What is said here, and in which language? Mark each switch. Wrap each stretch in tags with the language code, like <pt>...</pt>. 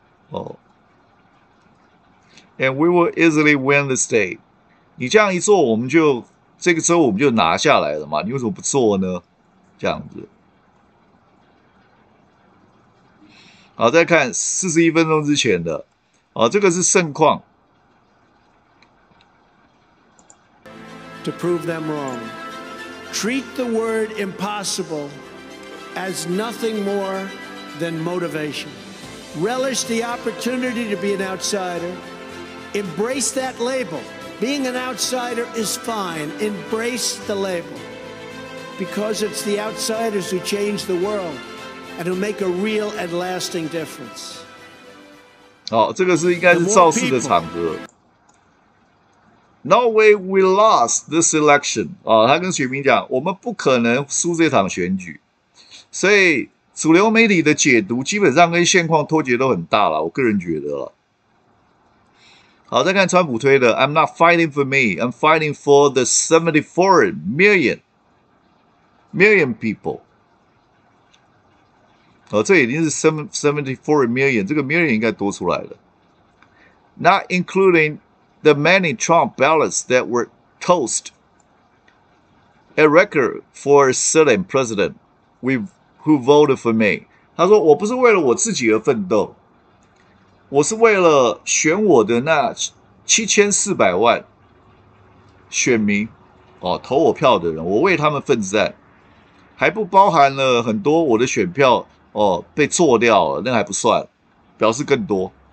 <en>哦 ，And we will easily win the state。</en> <zh>你这样一做，我们就这个州我们就拿下来了嘛？你为什么不做呢？这样子，好，再看41分钟之前的，哦，这个是盛况。</zh> <en>To prove them wrong, treat the word impossible as nothing more than motivation. Relish the opportunity to be an outsider. Embrace that label. Being an outsider is fine. Embrace the label. Because it's the outsiders who change the world and who make a real and lasting difference.</en> <zh>好，这个是应该是造势的场合。</zh> <en>No way we lost this election.</en> <zh>啊，他跟选民讲，我们不可能输这场选举。所以主流媒体的解读基本上跟现况脱节都很大了，我个人觉得了。好，再看川普推的</zh> <en>，I'm not fighting for me. I'm fighting for the 74 million. Million people，</en> <zh>哦，这已经是74 million， 这个 million 应该多出来了。</zh> <en>Not including the many Trump ballots that were tossed， a record for a sitting president who voted for me。</en> <zh>他说：“我不是为了我自己而奋斗，我是为了选我的那7400万选民，哦，投我票的人，我为他们奋战。” 还不包含了很多我的选票哦被做掉了，那还不算，表示更多。</zh>